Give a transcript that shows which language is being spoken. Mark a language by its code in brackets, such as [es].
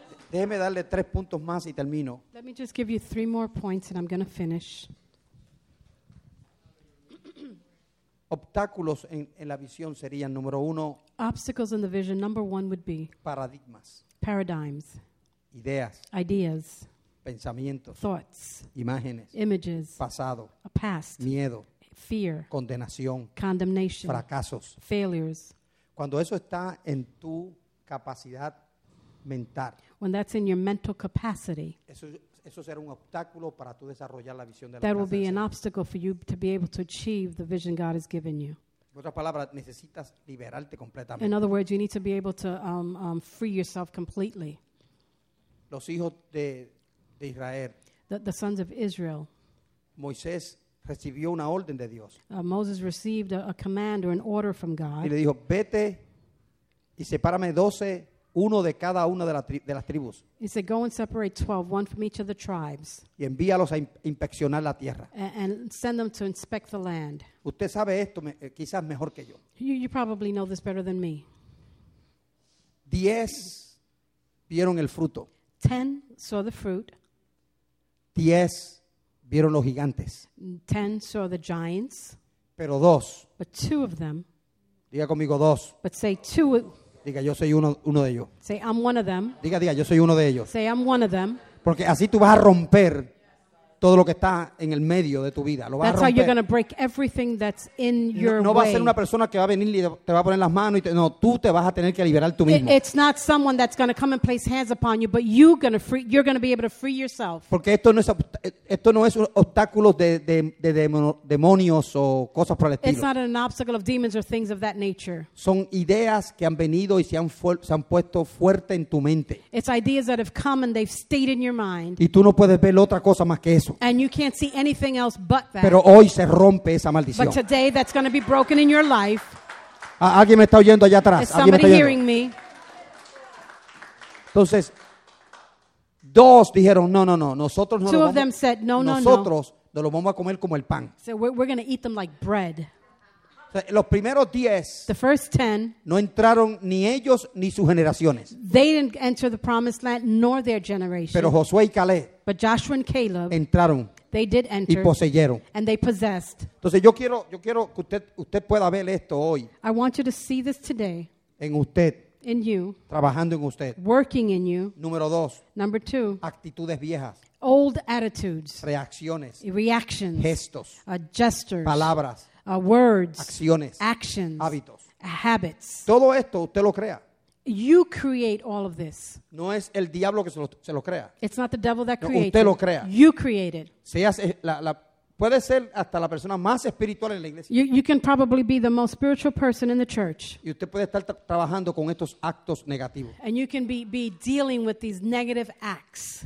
[es] Déjeme darle tres puntos más y termino. [en] Let me just give you three more points and I'm going to finish. [es] Obstáculos en la visión serían, número uno. [en] Obstacles in the vision, number one would be. [es] Paradigmas. [en] Paradigms. [es] Ideas. [en] Ideas. [es] Pensamientos. [en] Thoughts. [es] Imágenes. [en] Images. [es] Pasado. [en] A past. [es] Miedo. [en] Fear. [es] Condenación. [en] Condemnation. [es] Fracasos. [en] Failures. [es] Cuando eso está en tu capacidad mental. [en] When that's in your mental capacity. [es] Eso será un obstáculo para tú desarrollar la visión de la [en] casa. That will be an obstacle for you to be able to achieve the vision God has given you. [es] En otras palabras, necesitas liberarte completamente. [en] In other words, you need to be able to free yourself completely. [es] Los hijos de Israel. [en] The sons of Israel. [es] Moisés recibió una orden de Dios. [en] Moses received a command or an order from God. [es] Y le dijo, vete y sepárame 12, uno de cada una de las tribus. [en] He said, go and separate 12, one from each of the tribes. [es] Y envíalos a inspeccionar la tierra. [en] And send them to inspect the land. [es] Usted sabe esto quizás mejor que yo. [en] You probably know this better than me. [es] 10 vieron el fruto. [en] 10 saw the fruit. [es] 10 vieron los gigantes. [en] 10 saw the giants. [es] Pero dos. [en] But two of them. [es] Diga conmigo dos. [en] But say two. [es] Diga yo soy uno de ellos. [en] Say I'm one of them. [es] Diga yo soy uno de ellos. [en] Say I'm one of them. [es] Porque así tú vas a romper todo lo que está en el medio de tu vida. Lo vas [en] that's [es] a romper. [en] How you're going to break everything that's in your [es] no, no No va a ser una persona que va a venir y te va a poner las manos. No, tú te vas a tener que liberar tú mismo. [en] It's not someone that's going to come and place hands upon you, but you're going to be able to free yourself. [es] Porque esto no es un obstáculo de demonios o cosas por el estilo. [en] It's not an obstacle of demons or things of that nature. [es] Son ideas que han venido y se han puesto fuerte en tu mente. [en] It's ideas that have come and they've stayed in your mind. [es] Y tú no puedes ver otra cosa más que eso. [en] And you can't see anything else but that. [es] Pero hoy se rompe esa maldición. [en] But today that's going to be broken in your life. [es] ¿Alguien me está oyendo allá atrás? [en] Is somebody hearing me? [es] Entonces, dos dijeron, no, nosotros no lo vamos. [en] Two of them said, no. [es] Nosotros no lo vamos a comer como el pan. [en] So we're going to eat them like bread. [es] Los primeros 10, [en] the first 10, [es] no entraron ni ellos ni sus generaciones. [en] They didn't enter the promised land nor their generation. [es] Pero Josué y Caleb, [en] but Joshua and Caleb, [es] entraron. [en] They did enter. [es] Y poseyeron. [en] And they possessed. [es] Entonces yo quiero que usted pueda ver esto hoy. [en] I want you to see this today. [es] En usted. [en] In you. [es] Trabajando en usted. [en] Working in you. [es] Número 2. [en] Number 2. [es] Actitudes viejas. [en] Old attitudes. [es] Reacciones. [en] Reactions. [es] Gestos. [en] Gestures. [es] Palabras. [en] Words, [es] acciones, [en] actions, [es] hábitos, [en] habits. [es] Todo esto usted lo crea. [en] You create all of this. [es] No es el diablo que se lo crea. [en] It's not the devil that creates. [es] No, usted lo crea. [en] You create it. [es] Seas la puede ser hasta la persona más espiritual en la iglesia. [en] You can probably be the most spiritual person in the church. [es] Y usted puede estar trabajando con estos actos negativos. [en] And you can be dealing with these negative acts.